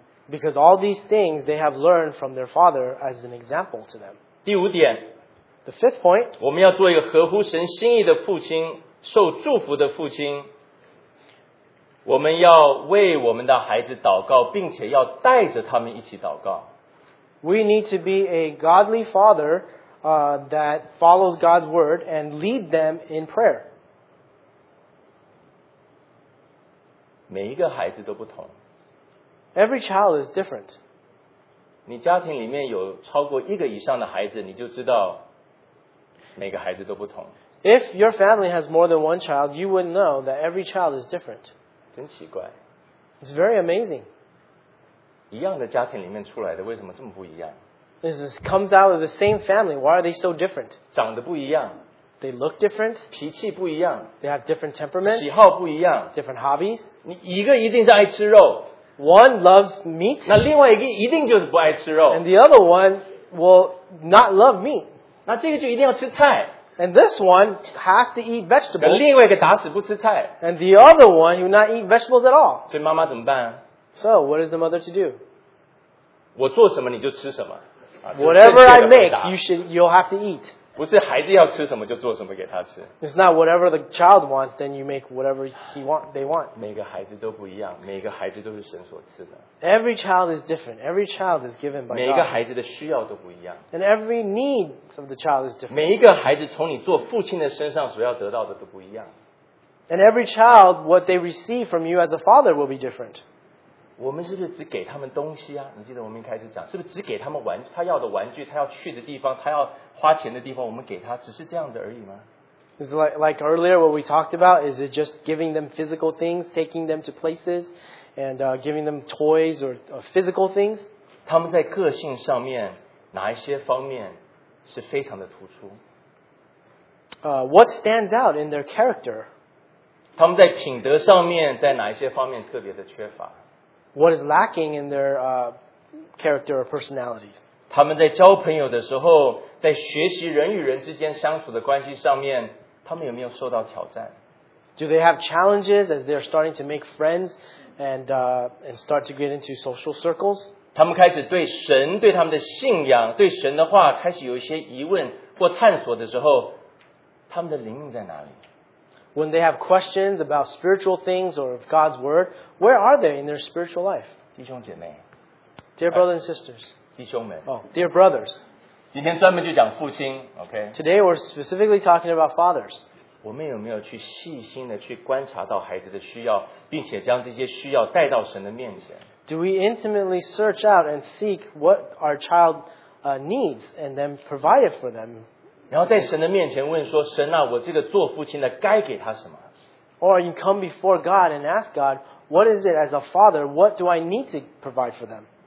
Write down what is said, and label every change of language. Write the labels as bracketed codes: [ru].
[en] Because all these things they have learned from their father as an example to them. [zh] 第五点, [en] the fifth point, [zh] 我们要做一个合乎神心意的父亲，受祝福的父亲。我们要为我们的孩子祷告，并且要带着他们一起祷告。 [en] We need to be a godly father that follows God's word and lead them in prayer. [zh] 每一个孩子都不同。 [en] Every child is different. [zh] 你家庭里面有超过一个以上的孩子, 你就知道每个孩子都不同。 [en] If your family has more than one child, you would know that every child is different. [zh] 真奇怪。 [en] It's very amazing. [zh] 一样的家庭里面出来的, 为什么这么不一样? [en] This comes out of the same family. Why are they so different? [zh] 长得不一样, [en] they look different. [zh] 脾气不一样, [en] they have different temperaments. [zh] 喜好不一样, [en] different hobbies. [zh] 你一个一定是爱吃肉, [en] one loves meat. [zh] 那另外一个一定就是不爱吃肉, [en] and the other one will not love meat. [zh] 那这个就一定要吃菜。 [en] And this one has to eat vegetables. [zh] 另外一个打死不吃菜。 [en] And the other one will not eat vegetables at all. [zh] 所以妈妈怎么办啊？ [en] So what is the mother to do? [zh] 我做什么你就吃什么。 [en] Whatever I make, you'll have to eat. [zh] 不是孩子要吃什么就做什么给他吃。 [en] It's not whatever the child wants, then you make whatever he want, they want. [zh] 每个孩子都不一样，每个孩子都是神所赐的。 [en] Every child is different. Every child is given by God. [zh] 每个孩子的需要都不一样。 [en] And every need of the child is different. [zh] 每一个孩子从你做父亲的身上所要得到的都不一样。 [en] And every child, what they receive from you as a father will be different. [zh] 我们是不是只给他们东西啊？你记得我们一开始讲，是不是只给他们玩具？他要的玩具，他要去的地方，他要花钱的地方，我们给他，只是这样子而已吗 [en] ？Is like earlier what we talked about? Is it just giving them physical things, taking them to places, and giving them toys or physical things? [zh] 他们在个性上面哪一些方面是非常的突出 [en] ？What stands out in their character? [zh] 他们在品德上面在哪一些方面特别的缺乏？ [en] What is lacking in their character or personalities? [zh] 他们在交朋友的时候，在学习人与人之间相处的关系上面，他们有没有受到挑战？ [en] Do they have challenges as they're starting to make friends and start to get into social circles? [zh] 他们开始对神、对他们的信仰、对神的话开始有一些疑问或探索的时候，他们的灵命在哪里？ [en] When they have questions about spiritual things or of God's word, where are they in their spiritual life? [zh] 弟兄姐妹 [en] Dear brothers and sisters. [zh] 弟兄们 [en] Oh, dear brothers. [zh] 今天专门就讲父亲 okay? [en] Today we're specifically talking about fathers. [zh] 我们有没有去细心的去观察到孩子的需要并且将这些需要带到神的面前 [en] Do we intimately search out and seek what our child needs and then provide it for them? [zh] 然后在神的面前问说：“神啊，我这个做父亲的该给他什么 [en] ？”Or you come before God and ask God, "What is it as a father? What do I need to provide for them?"